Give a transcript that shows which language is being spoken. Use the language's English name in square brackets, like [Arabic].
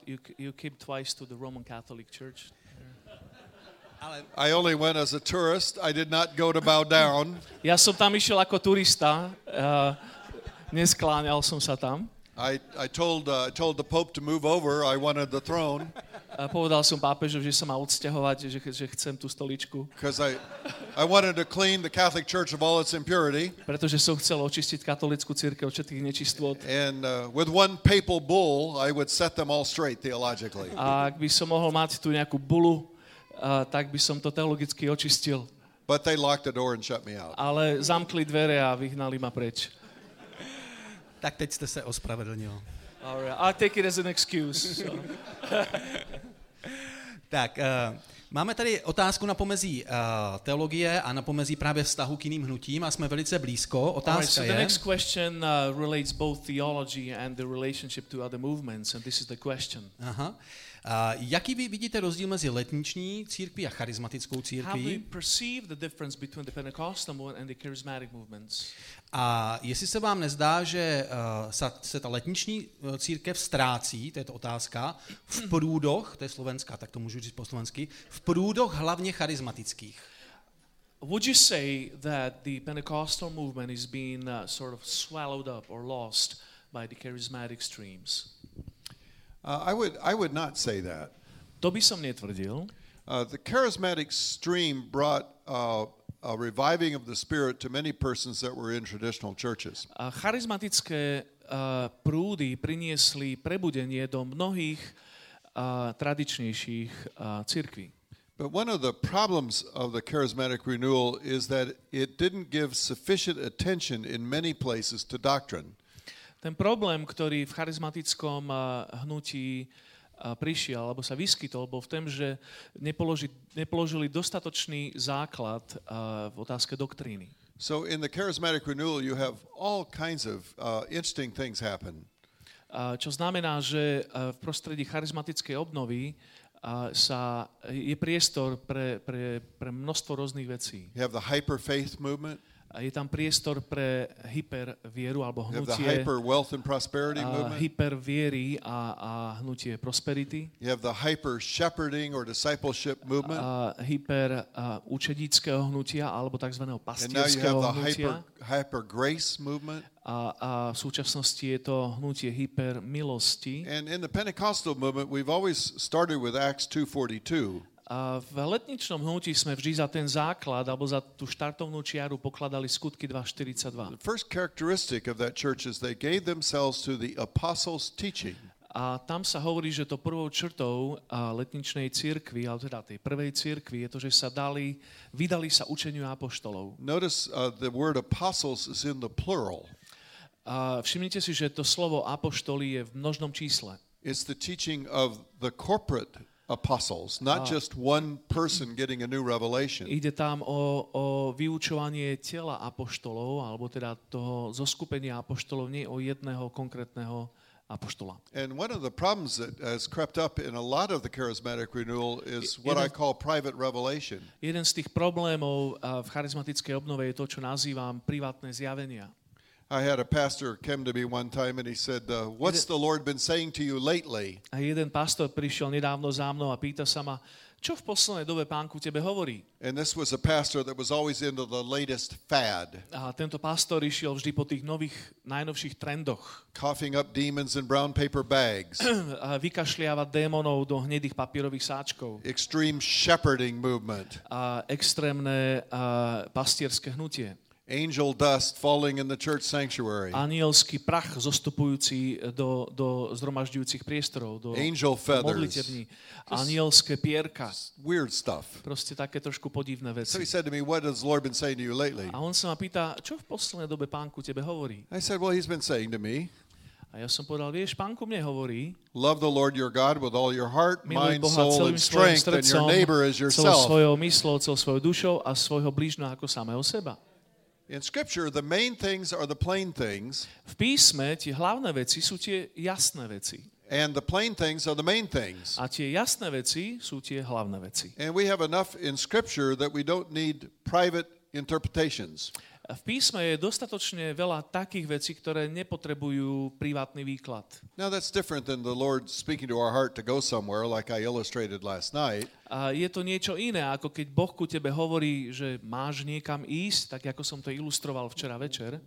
[English] You came twice to the Roman Catholic Church. I only went as a tourist. I did not go to bow down. [Czech] Já jsem tam išel jako turista. Neskláňal jsem se tam. [English] I told the Pope to move over. I wanted the throne. [Slovak] A povedal som pápežovi, že sa má odsťahovať, že chcem tú stoličku. [English] I wanted to clean the Catholic Church of all its impurity. [Slovak] Pretože som chcel očistiť katolickú cirkev od všetkých nečistôt. [English] And with one papal bull, I would set them all straight theologically. [Slovak] A ak by som mohol mať tu nejakú bulu, tak by som to teologicky očistil. [English] But they locked the door and shut me out. [Slovak] Ale zamkli dvere a vyhnali ma preč. Tak teď ste sa ospravedlnil. [English] All right, I'll take it as an excuse. So. [Czech] Tak, máme tady otázku na pomezí teologie a na pomezí právě vztahu k jiným hnutím a jsme velice blízko. Otázka [English] right, so [Czech] je. [English] The next question relates both theology and the relationship to other movements and this is the question. Aha. [Czech] Jaký vy vidíte rozdíl mezi letniční církví a charismatickou církví? [English] How do you perceive the difference between the Pentecostal movement and the charismatic movements? [Czech] A jestli se vám nezdá, že se ta letniční církev ztrácí, to je to otázka, v průdoch, to je slovenská, tak to můžu říct po slovensky, v průdoch hlavně charismatických. [English] Would you say that the Pentecostal movement is being sort of swallowed up or lost by the charismatic streams? I would not say that. [Slovak] To by som netvrdil. [English] The charismatic stream brought a reviving of the spirit to many persons that were in traditional churches. [Slovak] A charizmatické prúdy priniesli prebudenie do mnohých tradičnejších cirkví. [English] But one of the problems of the charismatic renewal is that it didn't give sufficient attention in many places to doctrine. [Slovak] Ten problém, ktorý v charizmatickom hnutí prišiel alebo sa vyskytol, bol v tom, že nepoložili dostatočný základ v otázke doktríny. [English] So in the charismatic renewal you have all kinds of interesting things happen. [Slovak] Čo znamená, že v prostredí charizmatickej obnovy sa je priestor pre množstvo rôznych vecí. [English] You have the hyper faith movement. [Slovak] A je tam priestor pre hypervieru alebo hnutie. [English] You have the hyper wealth and prosperity movement. [Slovak] Hypervieri a hnutie prosperity. [English] You have the hyper shepherding or discipleship movement. [Slovak] A hyper učedíckeho hnutia alebo takzvaného pastierskeho hnutia. [English] And now you have the hyper grace movement. [Slovak] A v súčasnosti je to hnutie hyper milosti. [English] And in the Pentecostal movement we've always started with Acts 2:42. [Slovak] A v letničnom hnutí sme vždy za ten základ alebo za tú štartovnú čiaru pokladali skutky 2:42. [English] The first characteristic of that church is they gave themselves to the apostles' teaching. [Slovak] A tam sa hovorí, že to prvou črtou letničnej cirkvi, alebo teda tej prvej cirkvi, je to, že sa vydali sa učeniu apoštolov. [English] Notice the word apostles is in the plural. [Slovak] A všimnite si, že to slovo apoštoli je v množnom čísle. [English] It's the teaching of the corporate apostles, not just one person getting a new revelation. [Slovak] Ide tam o vyučovanie tela apoštolov, alebo teda toho zoskupenia apoštolov, nie o jedného konkrétneho apoštola. [English] And one of the problems that has crept up in a lot of the charismatic renewal is what I call private revelation. [Slovak] Jeden z tých problémov v charizmatickej obnove je to, čo nazývam privátne zjavenia. [English] I had a pastor come to me one time and he said, "What's the Lord been saying to you lately?" [Slovak] A jeden pastor prišiel nedávno za mnou a pýta sa ma, čo v poslednej dobe Pán ku tebe hovorí? [English] And this was a pastor that was always into the latest fad. [Slovak] A tento pastor išiel vždy po tých nových, najnovších trendoch. [English] Coughing up demons in brown paper bags. [Slovak] A vykašliavať démonov do hnedých papierových sáčkov. [English] Extreme shepherding movement. [Slovak] A extrémne pastierske hnutie. [English] Angel dust falling in the church sanctuary. [Slovak] Anielský prach zostupujúci do zhromažďujúcich priestorov, do [English] angel feathers. [Slovak] Modlitební. Anielské pierka. [English] Weird stuff. [Slovak] Proste také trošku podivné veci. [English] So he said to me, "What has the Lord been saying to you lately?" [Slovak] A on sa ma pýta, čo v poslednej dobe Pán ku tebe hovorí? [English] I said, "Well, he's been saying to me." [Slovak] A ja som povedal, vieš, Pán ku mne hovorí. [English] Love the Lord your God with all your heart, mind, soul and strength, and your neighbor as yourself. [Slovak] Celou svojou mysľou, celou svojou dušou a svojho blížneho ako samého seba. [English] In scripture the main things are the plain things. [Slovak] V písme tie hlavné veci sú tie jasné veci. [English] And the plain things are the main things. [Slovak] A tie jasné veci sú tie hlavné veci. [English] And we have enough in scripture that we don't need private interpretations. [Slovak] V písme je dostatočne veľa takých vecí, ktoré nepotrebujú privátny výklad. [English] Now that's different than the Lord speaking to our heart to go somewhere like I illustrated last night. [Slovak] A je to niečo iné, ako keď Boh ku tebe hovorí, že máš niekam ísť, tak ako som to ilustroval včera večer.